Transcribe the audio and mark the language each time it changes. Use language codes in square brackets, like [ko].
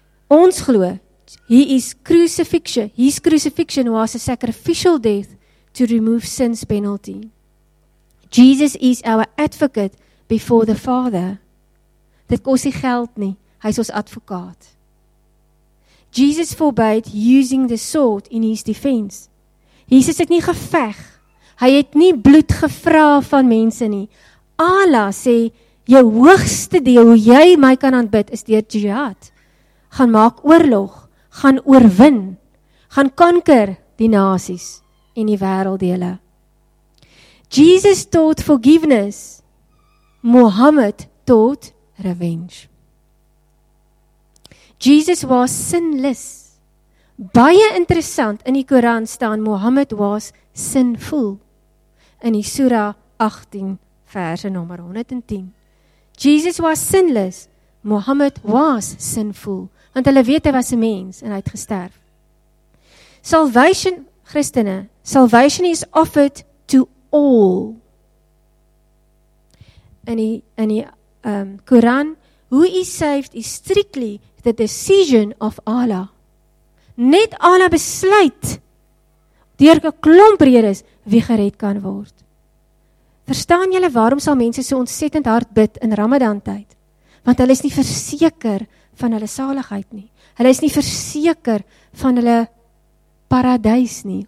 [af] Ons glo, [en] his crucifixion was a sacrificial death to remove sin's penalty. Jesus is our advocate before the Father. [af] Dit kos nie geld nie. Hy is ons advokaat. [en] Jesus forbade using the sword in his defense. [af] Jesus het nie geveg. Hy het nie bloed gevra van mense nie. Allah sê, jou hoogste deel, hoe jy my kan aanbid, is deur jihad. Gaan maak oorlog. Gaan oorwin. Gaan conquer die nasies en die werelddele. [en] Jesus taught forgiveness. Mohammed taught revenge. Jesus was sinless. [af] Baie interessant, in die Koran staan, Mohammed was sinful. In die Sura 18 verse nummer 110. [en] Jesus was sinless. Mohammed was sinful. [af] Want hulle weet hy was 'n mens en hy het gesterf. [en] Salvation, Christene, salvation is offered to all. [af] In die Koran, [en] who is saved is strictly the decision of Allah. [af] Net Allah besluit deur 'n klomp redes wie gered kan word. Verstaan julle waarom sal mense so ontsettend hard bid in Ramadan tyd? Want hulle is nie verseker van hulle saligheid nie. Hulle is nie verseker van hulle paradys nie.